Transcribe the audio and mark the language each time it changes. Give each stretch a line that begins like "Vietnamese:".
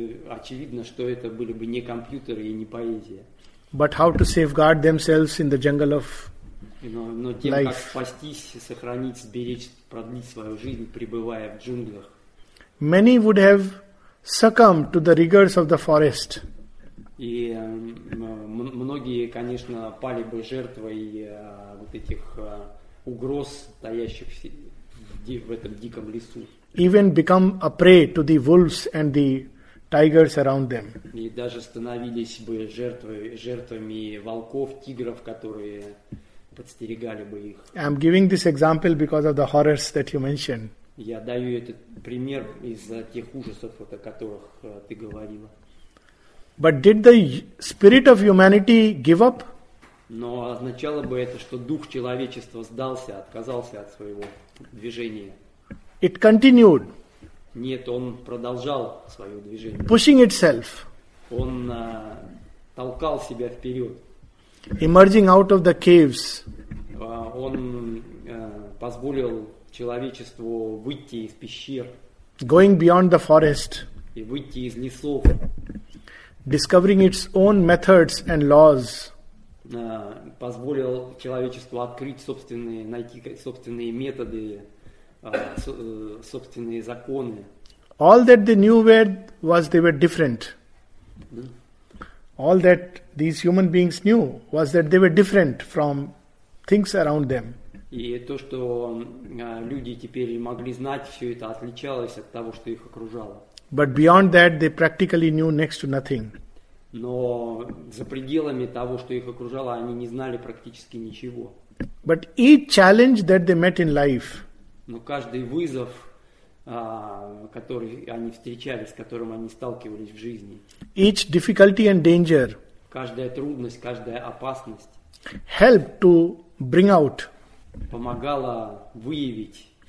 Russian: Очевидно, что это были бы не компьютеры и не поэзия.
English: But how to safeguard themselves in the jungle of
Russian: но тем,
English: life?
Russian: Как спастись, сохранить, сберечь, продлить свою жизнь, пребывая в джунглях?
English: Many would have succumbed to the rigors of the forest.
Russian: И многие, конечно, пали бы жертвой вот этих угроз, стоящих в этом диком лесу.
English: Even become a prey to the wolves and the tigers around them.
Russian: И даже становились бы жертвами волков, тигров, которые подстерегали бы их.
English: I'm giving this example because of the horrors that you mentioned.
Russian: Я даю этот пример из-за тех ужасов, о которых ты говорила.
English: But did the spirit of humanity give up?
Russian: Но означало бы это, что дух человечества сдался, отказался от своего движения.
English: It continued.
Russian: Нет, он продолжал свое движение.
English: Pushing itself.
Russian: Он толкал себя вперед.
English: Emerging out of the caves.
Russian: Он позволил человечеству выйти из пещер.
English: Going beyond the forest.
Russian: И выйти из лесов.
English: Discovering its own methods and laws.
Russian: Позволил человечеству открыть собственные, найти собственные методы, собственные законы.
English: All that they knew was they were different. All that these human beings knew was that they were different from things around them.
Russian: И то, что люди теперь могли знать, все это отличалось от того, что их окружало.
English: But beyond that, they practically knew next to nothing.
Russian: Но за пределами того, что их окружало, они не знали практически ничего.
English: But each challenge that they met in life.
Russian: Но каждый вызов, который они встречали, с которым они сталкивались в жизни.
English: Each difficulty and danger.
Russian: Каждая трудность, каждая опасность.
English: Helped to bring out.
Russian: Помогала выявить.